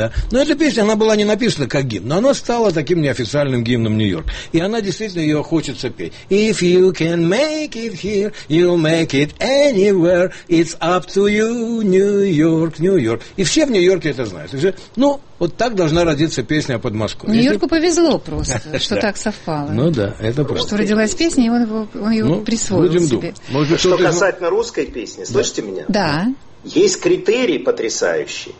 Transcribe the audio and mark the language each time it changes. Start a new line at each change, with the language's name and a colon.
Russian: Но эта песня, она была не написана как гимн, но она стала таким неофициальным гимном Нью-Йорк. И она действительно, ее хочется петь.
English: If you can make it here, you'll make it anywhere. It's up to you, New York, New York.
Russian: И все в Нью-Йорке это знают. Ну, вот так должна родиться песня о Подмосковье. Нью-Йорку повезло просто, что так совпало. Ну да, это просто. Что родилась песня, и он ее присвоил себе. Может, что касательно русской песни, слышите меня? Да. Есть критерий потрясающий.